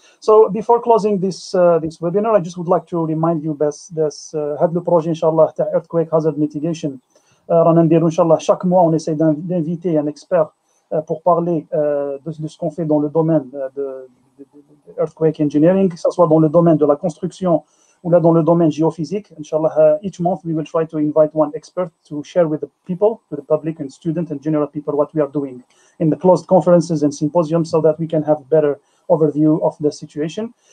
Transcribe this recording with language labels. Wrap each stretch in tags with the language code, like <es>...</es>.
<en>So before closing this webinar, I just would like to remind you had</en> <fr>le projet</fr> <en>inshallah</en> <ar>تاع</ar> <en>earthquake hazard mitigation.</en> <ar>رانا نديرو</ar> <fr>inshallah chaque mois, on essaie d'inviter un expert pour parler de ce qu'on fait dans le domaine de earthquake engineering, que ce soit dans le domaine de la construction ou là dans le domaine géophysique.</fr> <en>Inch'Allah, each month we will try to invite one expert to share with the people, to the public and student and general people what we are doing in the closed conferences and symposiums so that we can have a better overview of the situation.</en>